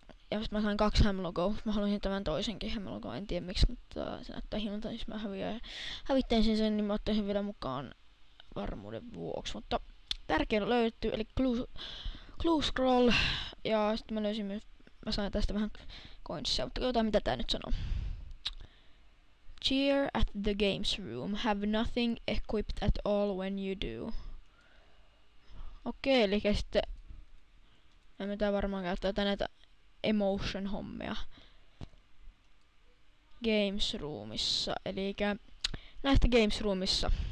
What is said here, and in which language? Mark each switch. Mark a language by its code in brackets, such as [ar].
[fi] Ja sitten mä sain 2 hämlogoa. Mä haluaisin tämän toisenkin hämlogoon. En tiedä miksi, mutta se näyttää hinnalta. Siis mä hävittäisin sen, niin mä ottaisin sen vielä mukaan varmuuden vuoksi. Mutta tärkein on löytty, eli clue scroll. Ja sitten mä löysin myös, mä sain tästä vähän coinsia, mutta katsotaan mitä tää nyt sanoo. [en] Cheer at the games room. Have nothing equipped at all when you do. [fi] Okei, eli sitten me pitää varmaan käyttää jotain näitä emotion hommia games roomissa, eli näistä games roomissa.